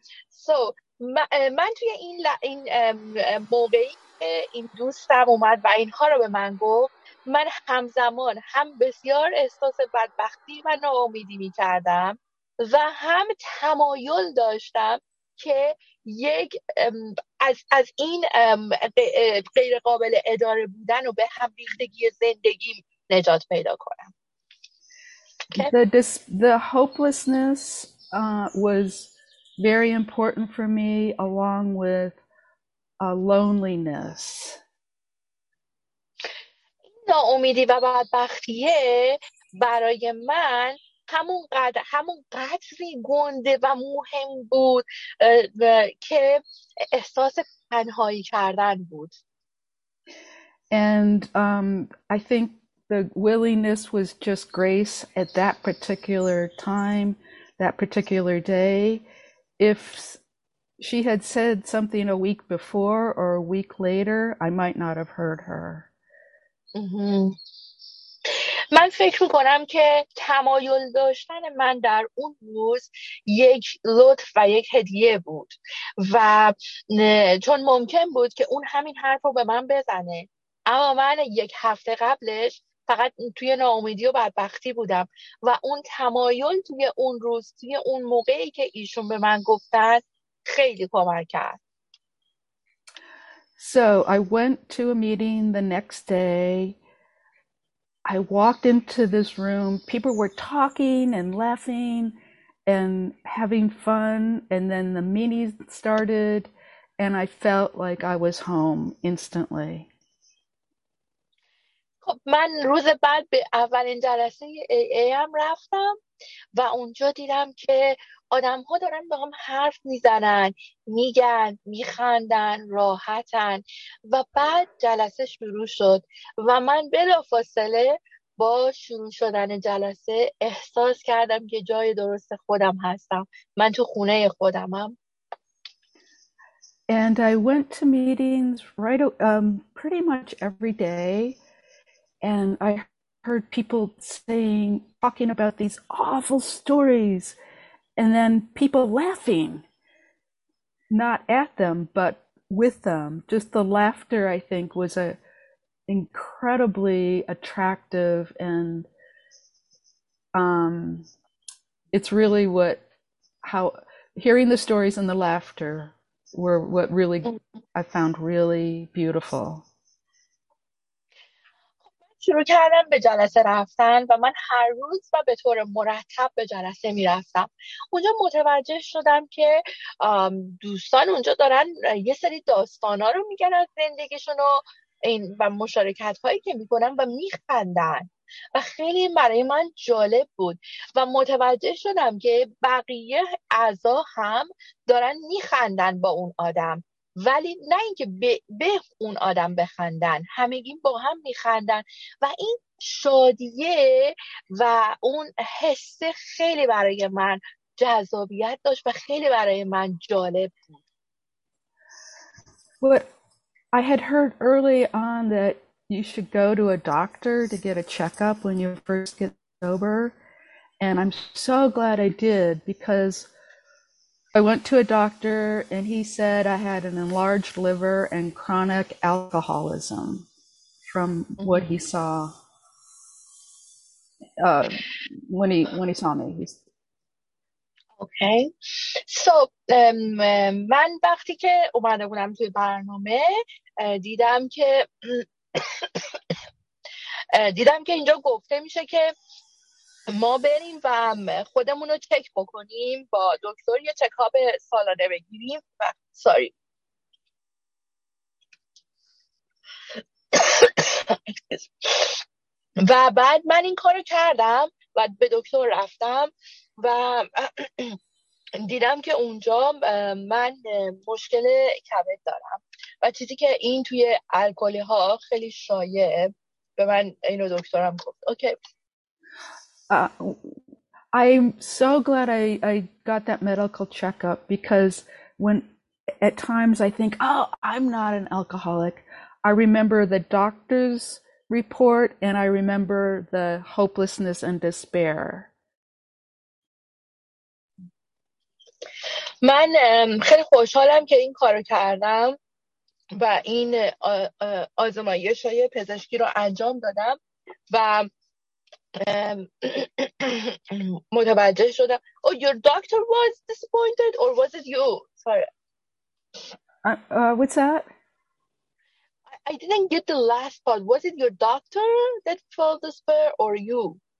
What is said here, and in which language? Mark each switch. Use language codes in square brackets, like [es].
[en] So [fa] من توی این موقعی که این دوستم اومد و اینها رو به من گفت، من همزمان هم بسیار احساس بدبختی و ناامیدی می کردم و هم تمایل داشتم که یک از این غیر قابل اداره بودن و به هم ریختگی زندگی نجات پیدا کنم. [en] Okay. The hopelessness was very important for me, along with loneliness. [fa] ناامیدی و بدبختیه برای من همون قدری گنده و مهم بود که احساس تنهایی کردن بود. [en] And I think the willingness was just grace at that particular time, that particular day. If she had said something a week before or a week later, I might not have heard her. [fa] من فکر می‌کنم که تمایل داشتن من در اون روز یک لطف و یک هدیه بود و چون ممکن بود که اون همین حرف رو به من بزنه، اما من یک هفته قبلش فقط توی ناامیدی و بدبختی بودم و اون تمایل توی اون روز، توی اون موقعی که ایشون به من گفتن خیلی کمک کرد. [en] So I went to a meeting the next day. I walked into this room. People were talking and laughing and having fun. And then the meeting started and I felt like I was home instantly. [fa] من روز بعد به اولین جلسه AA هم رفتم و اونجا دیدم که آدم ها دارن با هم حرف میزنن، میگن، میخندن، راحتن و بعد جلسه شروع شد و من بلافاصله با شروع شدن جلسه احساس کردم که جای درست خودم هستم. من تو خونه خودمم. [en] And I went to meetings right pretty much every day. And I heard people saying, talking about these awful stories, and then people laughing, not at them, but with them. Just the laughter, I think, was a incredibly attractive, and it's really what, how, hearing the stories and the laughter were what really, I found really beautiful. [fa] شروع کردم به جلسه رفتن و من هر روز و به طور مرتب به جلسه می رفتم. اونجا متوجه شدم که دوستان اونجا دارن یه سری داستانا رو میگن از زندگیشون و این و مشارکت هایی که میکنن و میخندن و خیلی برای من جالب بود و متوجه شدم که بقیه اعضا هم دارن میخندن با اون آدم، ولی نه اینکه به اون آدم بخندن، همگی با هم میخندن و این شادیه و اون حس خیلی برای من جذابیت داشت و خیلی برای من جالب بود. [en] What I had heard early on that you should go to a doctor to get a checkup when you first get sober, and I'm so glad I did because I went to a doctor and he said I had an enlarged liver and chronic alcoholism from what he saw when he saw me. Okay. So [fa] من وقتی که اومده بودم توی برنامه دیدم که اینجا گفته میشه که ما بریم و خودمون رو چک بکنیم، با دکتر یه چکاپ سالانه بگیریم و [en] ساری [fa] و بعد من این کارو کردم و به دکتر رفتم و دیدم که اونجا من مشکل کبد دارم و چیزی که این توی الکلی ها خیلی شایعه، به من اینو دکترم گفت. [en] Okay. I'm so glad I got that medical checkup because when at times I think, oh, I'm not an alcoholic, I remember the doctor's report and I remember the hopelessness and despair. [fa] من خیلی خوشحالم که این کارو کردم و این آزمایش های پزشکی رو انجام دادم و متوجه شدم. [en] Oh, your doctor was disappointed or was it you? Sorry. What's that? I didn't get the last part. Was it your doctor that felt despair or you?